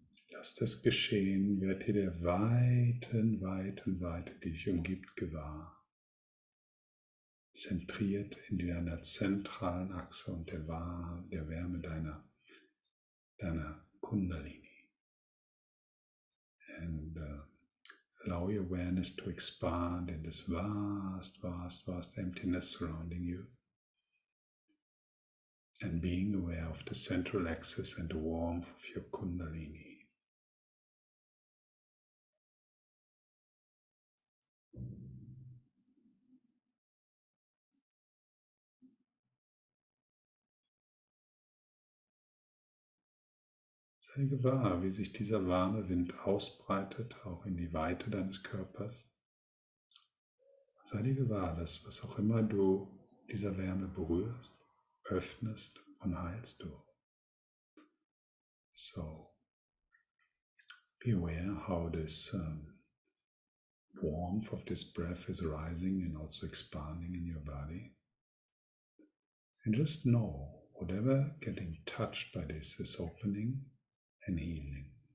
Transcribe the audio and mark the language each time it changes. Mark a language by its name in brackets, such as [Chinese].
[German] Lass das geschehen, werd dir der weiten, weiten Weite, die dich umgibt, gewahr. Zentriert in deiner zentralen Achse und der Wärme deiner Kundalini. [English] And allow your awareness to expand in this vast, vast, vast emptiness surrounding you. And being aware of the central axis and the warmth of your Kundalini. [German] Sei gewahr, wie sich dieser warme Wind ausbreitet, auch in die Weite deines Körpers. Sei dir gewahr, dass was auch immer du dieser Wärme berührst, öffnest und heilst du. [English] So, be aware how this warmth of this breath is rising and also expanding in your body. And just know, whatever getting touched by this is opening and healing.